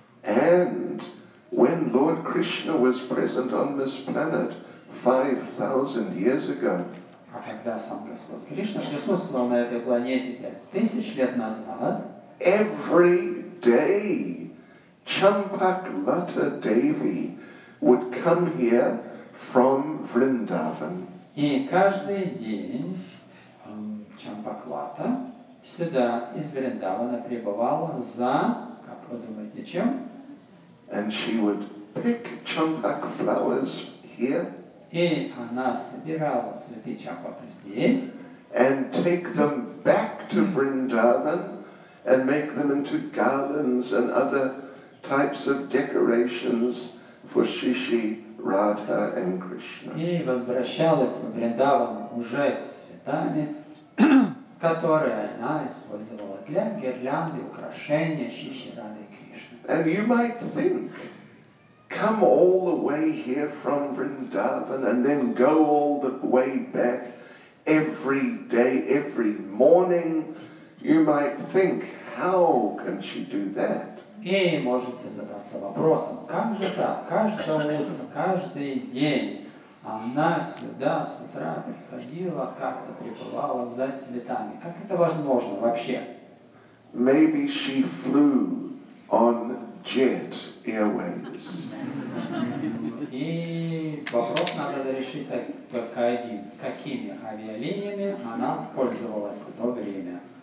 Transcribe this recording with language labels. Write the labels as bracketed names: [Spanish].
[English] And when Lord Krishna was present on this planet 5,000 years ago. [Russian] А когда сам Господь Кришна присутствовал на этой планете 5000 лет назад, [English] every day Champak Lata Devi would come here from Vrindavan. [Russian] И каждый день Champak Lata сюда из Вриндавана прибывала за, как вы думаете, чем? [English] And she would pick champak flowers here. [Russian] И она собирала цветы champak здесь. [English] And take them back to Vrindavan and make them into garlands and other types of decorations for Shishi, Radha and Krishna. [Russian] И возвращалась в Вриндаван уже с цветами, которые она использовала для гирлянды, украшения Шиши, Радхи и Кришны. [English] And you might think, come all the way here from Vrindavan and then go all the way back every day, every morning. You might think, how can she do that? [Russian] И можете задаться вопросом, как же так, каждое утро, каждый день она сюда с утра приходила, как-то прибывала за цветами. Как это возможно вообще? [English] Maybe she flew on Jet Airways. [Russian] И вопрос надо решить только один. Какими авиалиниями она пользовалась в то время?